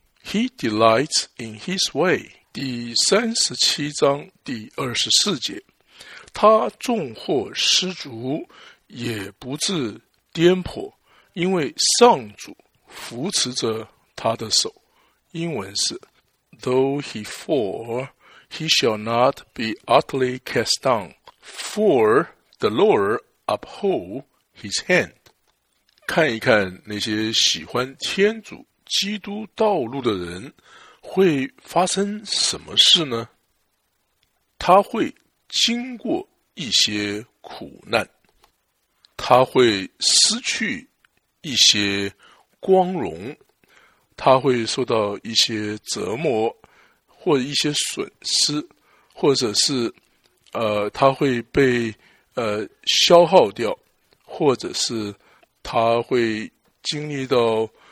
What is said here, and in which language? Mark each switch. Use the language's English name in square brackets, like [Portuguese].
[English] He delights in his way， [Chinese] 第37章第24节，他纵或失足也不致颠簸，因为上主扶持着他的手。英文是 [English] Though he fall, he shall not be utterly cast down, for the Lord uphold his hand. [Chinese] 看一看那些喜欢天主基督道路的人会发生什么事呢？他会经过一些苦难，他会失去一些光荣，他会受到一些折磨或者一些损失，或者是他会被消耗掉，或者是他会经历到